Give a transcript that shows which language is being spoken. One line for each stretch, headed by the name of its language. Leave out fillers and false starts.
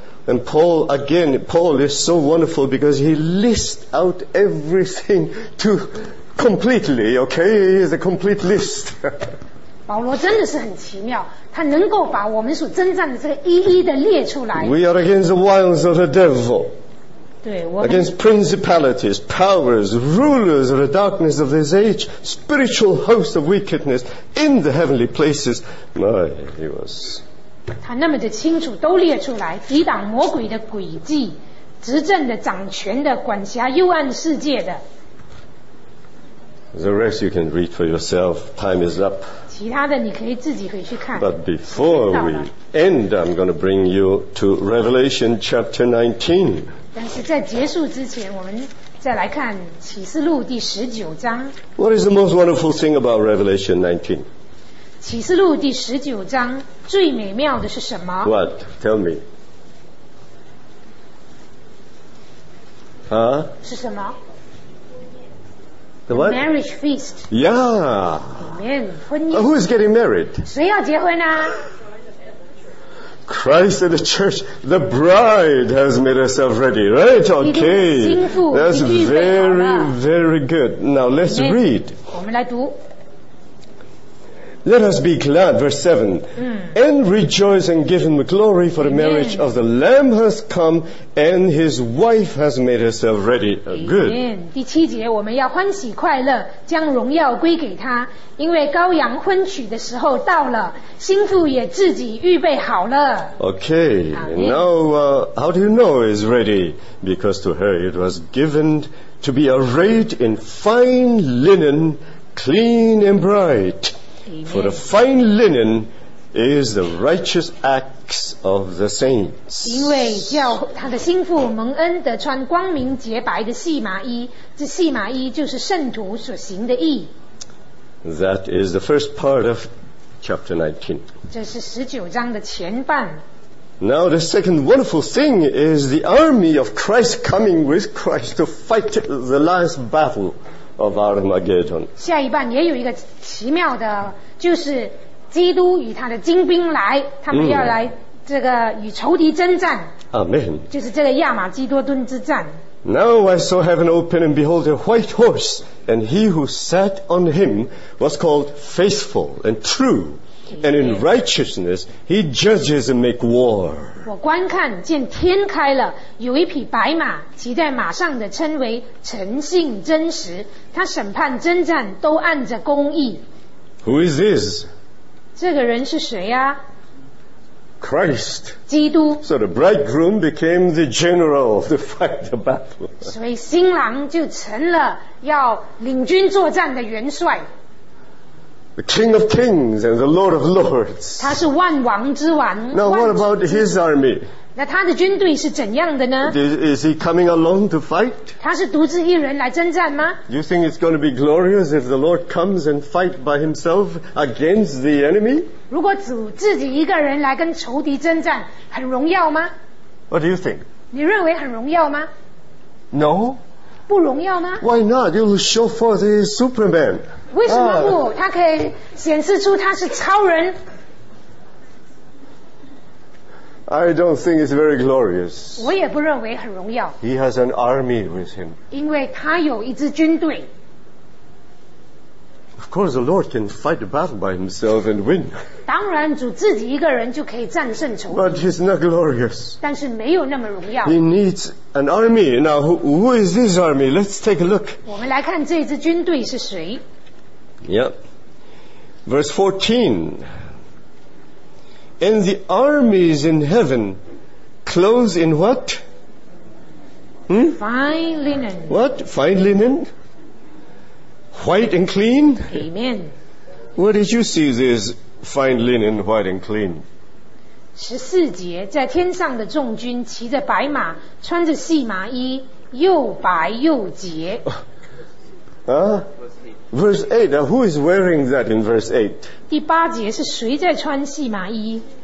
English: And Paul, again, Paul is so wonderful because he lists out everything to completely, okay? He is a complete list.
Chinese: 保罗真的是很奇妙，他能够把我们所征战的这个一一的列出来。
English: We are against the wiles of the devil.
Chinese: 对，我
English: against principalities, powers, rulers of the darkness of this age, spiritual hosts of wickedness in the heavenly places. My, he was.
Chinese: 他那么的清楚都列出来，抵挡魔鬼的诡计，执政的、掌权的、管辖幽暗世界的。
English: The rest you can read for yourself. Time is up.
Chinese: 其他的你可以自己回去看。
English: But before we end, I'm going to bring you to Revelation chapter 19.
Chinese: 但是在结束之前，我们再来看启示录第十九章。
English: What is the most wonderful thing about Revelation 19?
Chinese: 启示录第十九章最美妙的是什么？
English: What? Tell me.
Chinese: 啊？是什么？
English: The what? The marriage feast. Yeah.
Chinese: Amen. 婚姻。
English: Who is getting married?
Chinese: 谁要结婚啊？
English: Christ and the church, the bride has made herself ready, right? Okay. That's very, very good. Now let's read.
Chinese: 我们来读。
English: Let us be glad, verse 7. And rejoice and give him glory for the marriage of the Lamb has come and his wife has made herself ready. Good.
Chinese: 第七节，我们要欢喜快乐，将荣耀归给他，因为羔羊婚娶的时候到了，新妇也自己预备好了。
English: Okay. Now, how do you know it's ready? Because to her it was given to be arrayed in fine linen, clean and bright. Amen. For the fine linen is the righteous acts of the saints.
Chinese: 因为叫他的心腹蒙恩得穿光明洁白的细麻衣，这细麻衣就是圣徒所行的义。
English: That is the first part of chapter 19.
Chinese: 这是十九章的前半。
English: Now the second wonderful thing is the army of Christ coming with Christ to fight the last battle. Of Armageddon.
Chinese: 下一半也有一个奇妙的，就是基督与他的精兵来，他们要来这个与仇敌征战。
English: Amen.
Chinese: 就是这个亚马基多敦之战。
English: Now I saw heaven open, and behold, a white horse, and he who sat on him was called faithful and true, and in righteousness he judges and makes war.
Chinese: 我观看见天开了，有一匹白马，骑在马上的称为诚信真实，他审判征战都按着公义。
English: Who is this?
Chinese: 这个人是谁呀？
English: Christ.
Chinese: 基督。
English: So the bridegroom became the general of the fight, the battle.
Chinese: 所以新郎就成了要领军作战的元帅。
English: The King of Kings and the Lord of Lords.
Chinese: 他是万王之王。
English: Now what about his army?
Chinese: 那他的军队是怎样的呢？
English: Is he coming alone to fight?
Chinese: 他是独自一人来征战吗？
English: You think it's going to be glorious if the Lord comes and fight by himself against the enemy?
Chinese: 如果主自己一个人来跟仇敌征战，很荣耀吗？
English: What do you think?
Chinese: 你认为很荣耀吗？
English: No.
Chinese: 不荣耀吗？
English: Why not? You'll show forth his Superman.
Chinese: 为什么不？他可以显示出他是超人。
English: I don't think it's very glorious.
Chinese: 我也不认为很荣耀。
English: He has an army with him.
Chinese: 因为他有一支军队。
English: Of course the Lord can fight the battle by himself and win.
Chinese: 当然主自己一个人就可以战胜仇敌。
English: But he's not glorious.
Chinese: 但是没有那么荣耀。
English: He needs an army. Now who is this army? Let's take a look.
Chinese: 我们来看这支军队是谁。
English: Yep. Verse 14. And the armies in heaven clothed in what? Fine linen. What? Fine linen? White and clean? Amen. Where did you see this fine linen, white and clean?
Chinese: 14节，在天上的众军骑着白马，穿着细麻衣，又白又洁。
English: Verse 8, who is wearing that in verse 8?
Chinese: 第八节，是谁在穿细麻衣？